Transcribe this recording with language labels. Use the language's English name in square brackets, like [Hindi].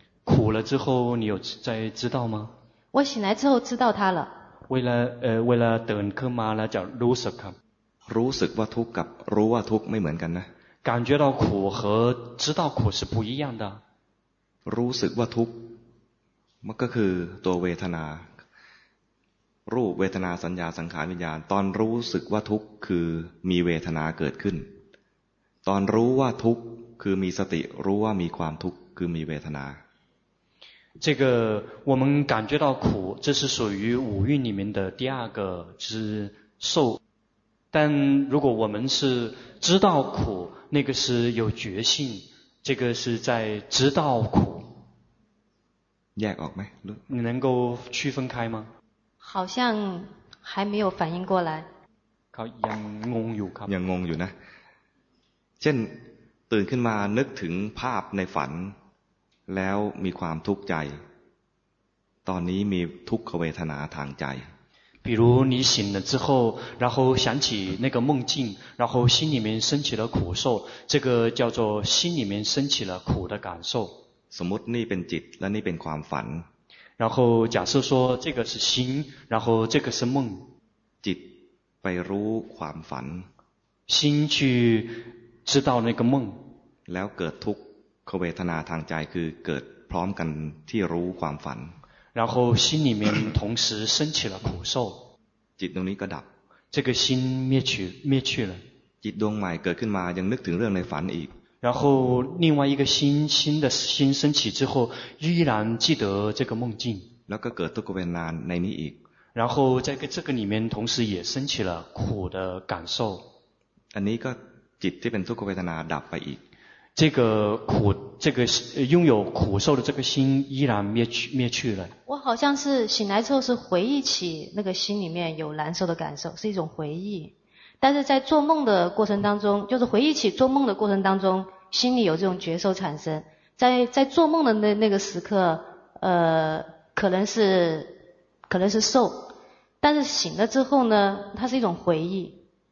[Chinese] 苦了之后你有在知道吗我醒来之后知道他了为了 [Thai] ตื่นขึ้นมาแล้วจะรู้สึกครับ รู้สึกว่าทุกข์กับรู้ว่าทุกข์ไม่เหมือนกันนะ [Chinese] 感觉到苦和知道苦是不一样的 [Thai] รู้สึกว่าทุกข์มันก็คือตัวเวทนารูปเวทนาสัญญาสังขารวิญญาณตอนรู้สึกว่าทุกข์คือมีเวทนาเกิดขึ้นตอนรู้ว่าทุกข์คือมีสติรู้ว่ามีความทุกข์คือมีเวทนา [Chinese] 这个我们感觉到苦这是属于五蕴里面的第二个是受但如果我们是知道苦那个是有觉性这个是在知道苦 [Thai] แยกออกไหม [Chinese] 你能够区分开吗好像还没有反应过来 [Thai] เขายังงงอยู่ครับ ยังงงอยู่นะเช่นตื่นขึ้นมานึกถึงภาพในฝัน แล้วมีความทุกข์ใจตอนนี้มีทุกขเวทนาทางใจ [Chinese] 比如你醒了之后然后想起那个梦境然后心里面升起了苦受这个叫做心里面升起了苦的感受 [Thai] สมมตินี่เป็นจิตและนี่เป็นความฝัน [Chinese] 然后假设说这个是心然后这个是梦 [Thai] จิตไปรู้ความฝัน [Chinese] 心去知道那个梦 [Thai] แล้วเกิดทุกขเวทนาทางใจคือเกิดพร้อมกันที่รู้ความฝัน [Chinese] 然后心里面同时升起了苦受 [Thai] จิตตรงนี้ก็ดับ [Chinese] 这个心灭去了 [Thai] จิตดวงใหม่เกิดขึ้นมายังนึกถึงเรื่องในฝันอีก [Chinese] 然后另外一个新的心升起之后依然记得这个梦境 [Thai] แล้วก็เกิดทุกขเวทนาในนี้อีก [Chinese] 然后在这个里面同时也升起了苦的感受 [Thai] อันนี้ก็จิตที่เป็นทุกขเวทนาดับไปอีก [Chinese] 这个苦这个拥有苦受的这个心依然灭去了我好像是醒来之后是回忆起那个心里面有难受的感受是一种回忆但是在做梦的过程当中就是回忆起做梦的过程当中心里有这种觉受产生在做梦的那个时刻可能是受但是醒了之后呢它是一种回忆